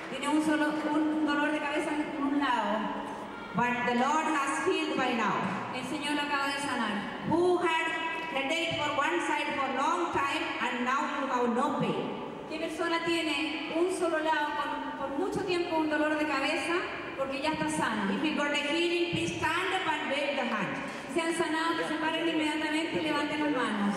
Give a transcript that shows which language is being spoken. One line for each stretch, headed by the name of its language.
Spanish: Un solo un dolor de cabeza en un lado.
English: But the Lord has healed by now.
Spanish: El Señor lo acaba de sanar.
English: Who had headache for one side for a long time and now you have no pain.
Spanish: ¿Qué persona tiene un solo lado por mucho tiempo un dolor de cabeza porque ya está sana?
English: If you got a healing, please stand up and wave the hand.
Spanish: Si han sanado, pues paren inmediatamente y levanten las manos.